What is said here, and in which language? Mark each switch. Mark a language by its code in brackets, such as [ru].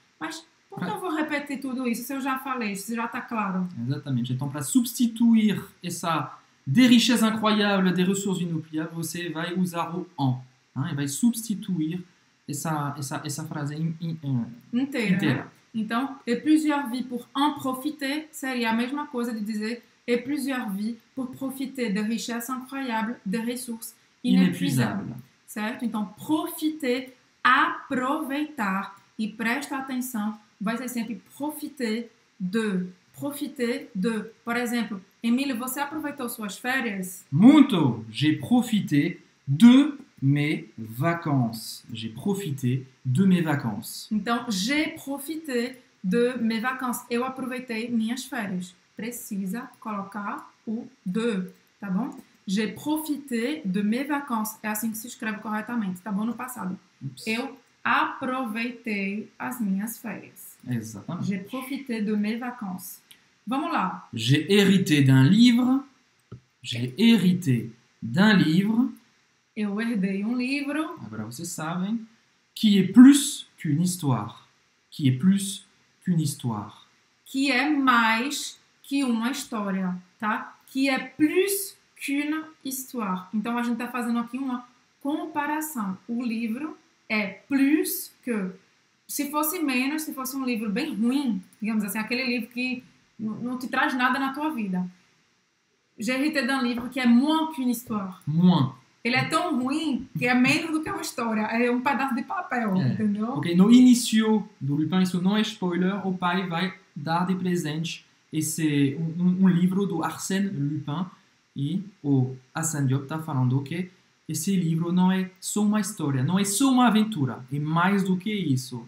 [pt] Mas por que eu vou repetir tudo isso se eu já falei, se já está claro? Exatamente. Então, para substituir essa [fr] de richesses incroyables, de ressources inépuisables, [pt] você vai usar o en. Hein? E vai substituir essa frase inteira. [fr] Então, et plusieurs vies pour en profiter [pt] seria a mesma coisa de dizer [fr] et plusieurs vies pour profiter de richesses incroyables, de ressources inépuisables. [pt] Certo? Então, profiter, aproveitar. E presta atenção, vai ser sempre profiter de. Profiter de. Por exemplo, Emílio, você aproveitou suas férias? Muito! [fr] J'ai profité de mes vacances. J'ai profité de mes vacances. Então, j'ai profité de mes vacances. [pt] Eu aproveitei minhas férias. Precisa colocar o de, tá bom? [fr] J'ai profité de mes vacances. [pt] É assim que se escreve corretamente, tá bom? No passado. Oops. Eu aproveitei as minhas férias. Exatamente. [fr] J'ai profité de mes vacances. [pt] Vamos lá. [fr] J'ai hérité d'un livre. J'ai hérité d'un livre. [pt] Eu herdei um livro. Agora vocês sabem. [fr] Qui est plus qu'une histoire. Qui est plus qu'une histoire. [pt] Que é mais que uma história, tá? [fr] Qui est plus qu'une histoire. [pt] Então, a gente está fazendo aqui uma comparação. O livro é plus que... Se fosse menos, se fosse um livro bem ruim, digamos assim, aquele livro que não te traz nada na tua vida. [fr] J'ai hérité d'un livre qui est moins qu'une histoire. Moins. [pt] Ele é tão ruim que é menos do que uma história. É um pedaço de papel, entendeu? Ok, no início do Lupin, isso não é spoiler, o pai vai dar de presente esse um livro do Arsène Lupin. E o Hassan Diop está falando que esse livro não é só uma história, não é só uma aventura, é mais do que isso.